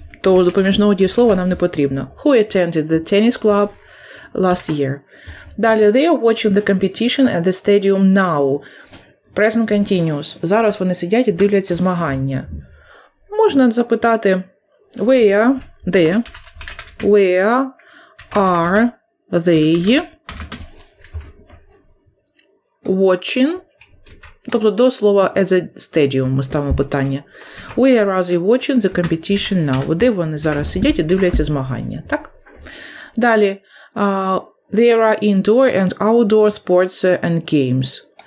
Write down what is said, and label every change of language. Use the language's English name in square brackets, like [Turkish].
[Ukrainian] то допоміжного дієслова нам не потрібно. [English] Who attended the tennis club last year? [Ukrainian] Далі, [English] they are watching the competition at the stadium now. Present continuous. [Ukrainian] Зараз вони сидять і дивляться змагання. Можна запитати, [English] where are they watching? [Ukrainian] Тобто до слова [English] at the stadium [Ukrainian] ми ставимо питання. [English] Where are they watching the competition now? [Ukrainian] Де вони зараз сидять і дивляться змагання, так? [English] Далі, there are indoor and outdoor sports and games.